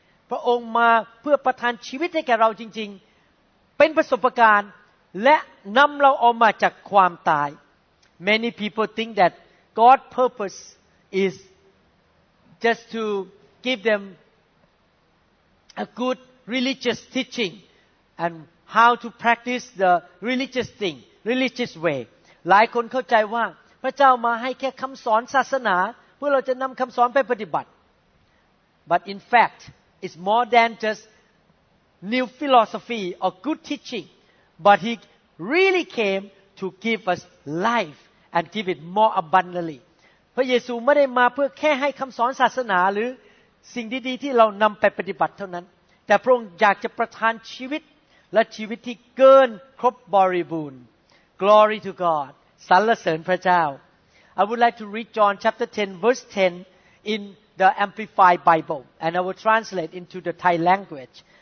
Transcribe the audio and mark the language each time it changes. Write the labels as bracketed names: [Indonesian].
[Thai] พระองค์มาเพื่อประทานชีวิตให้แก่เราจริงๆเป็นประสบการณ์และนำเราออกมาจากความตาย [English] Many people think that God's purpose is just to give them a good religious teaching and how to practice the religious thing, religious way. [Thai] หลายคนเข้าใจว่าพระเจ้ามาให้แค่คำสอนศาสนาเพื่อเราจะนำคำสอนไปปฏิบัติ [English] But in fact, it's more than just new philosophy or good teaching. But he really came to give us life and give it more abundantly. [Thai] พระเยซูไม่ได้มาเพื่อแค่ให้คำสอนศาสนาหรือสิ่งดีๆที่เรานำไปปฏิบัติเท่านั้นแต่พระองค์อยากจะประทานชีวิตและชีวิตที่เกินครบบริบูรณ์ [English] Glory to God. [Thai] สรรเสริญพระเจ้า [English] I would like to read John chapter 10 verse 10 in the Amplified Bible and I will translate into the Thai language